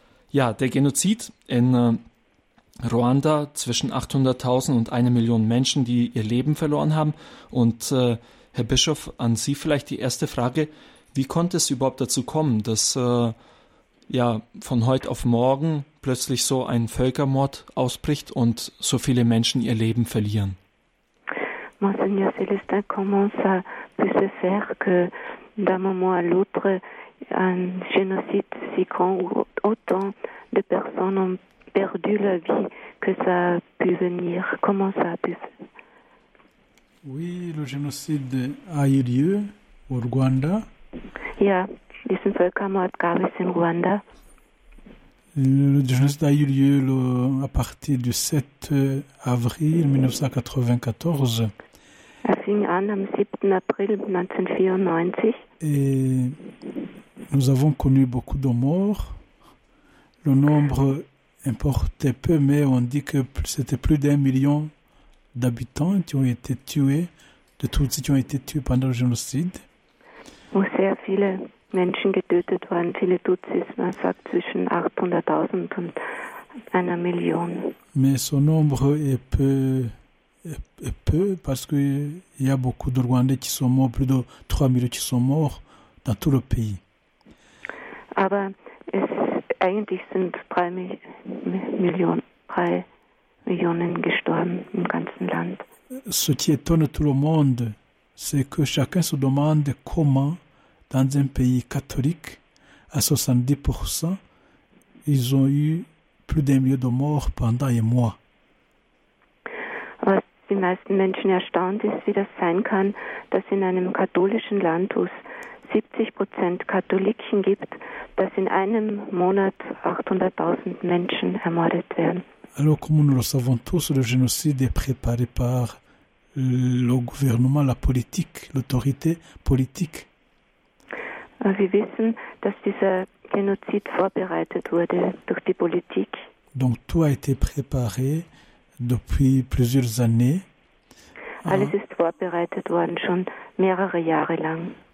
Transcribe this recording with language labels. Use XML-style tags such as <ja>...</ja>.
<de>Ja, der Genozid in Ruanda zwischen 800.000 und 1 Million Menschen, die ihr Leben verloren haben. Und Herr Bischof, an Sie vielleicht die erste Frage. Wie konnte es überhaupt dazu kommen, dass von heute auf morgen plötzlich so ein Völkermord ausbricht und so viele Menschen ihr Leben verlieren?</de> <fr>Monseigneur Célestin, comment ça peut se faire que d'un moment à l'autre un génocide si grand où autant de personnes ont perdu la vie que ça a pu venir? Comment ça a pu se faire? Oui, le génocide a eu lieu au Rwanda.</fr> <de>Ja, diesen Völkermord gab es in Ruanda.</de> <fr>Le génocide a eu lieu à partir du 7 avril 1994.</fr> <de>Er fing an am 7. April 1994.</de> <fr>Et nous avons connu beaucoup de morts. Le nombre importait peu, mais on dit que c'était plus d'un million d'habitants qui ont été tués, de toutes ceux qui ont été tués pendant le génocide.</fr> <de>Wo sehr viele Menschen getötet waren, viele Tutsis, man sagt zwischen 800.000 und 1 Million.</de> <fr>Mais son nombre est peu, parce que il y a beaucoup de Rwandais qui sont morts, plus de 3 000 qui sont morts dans tout le pays.</fr> <de>Aber es eigentlich sind 3 Millionen gestorben im ganzen Land.</de> <fr>Ce qui étonne tout le monde, c'est que chacun se demande comment dans un pays catholique, à 70%, ils ont eu plus d'un million de morts pendant un mois.</fr> <de>Was die meisten Menschen erstaunt ist, wie das sein kann, dass in einem katholischen Land, wo es 70% Katholiken gibt, dass in einem Monat 800.000 Menschen ermordet werden.</de> <fr>Alors, comme nous le savons tous, le génocide est préparé par le gouvernement, la politique, l'autorité politique.</fr> <de>Wir wissen, dass dieser Genozid vorbereitet wurde durch die Politik.</de> <fr>Donc tout a été préparé depuis plusieurs années.</fr> <de>Alles ist vorbereitet worden schon mehrere Jahre lang.</de>